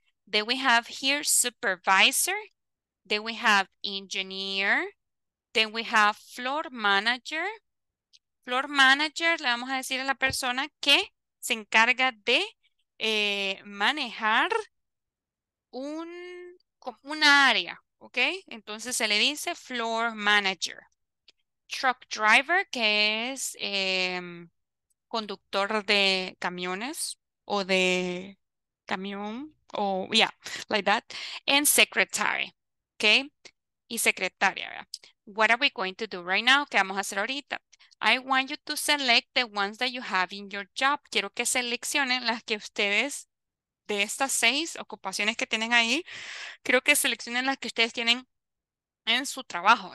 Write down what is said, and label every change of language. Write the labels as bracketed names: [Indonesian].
[English] Then we have here supervisor, then we have engineer, then we have floor manager. [Spanish] Floor manager, le vamos a decir a la persona que se encarga de manejar una área, okay. Entonces se le dice floor manager. Truck driver, que es conductor de camiones o de camión o [English] yeah, like that, and secretary, [Spanish] okay, y secretaria, ¿verdad? [English] What are we going to do right now? [Spanish] ¿Qué vamos a hacer ahorita? [English] I want you to select the ones that you have in your job. [Spanish] Quiero que seleccionen las que ustedes, de estas seis ocupaciones que tienen ahí, quiero que seleccionen las que ustedes tienen en su trabajo.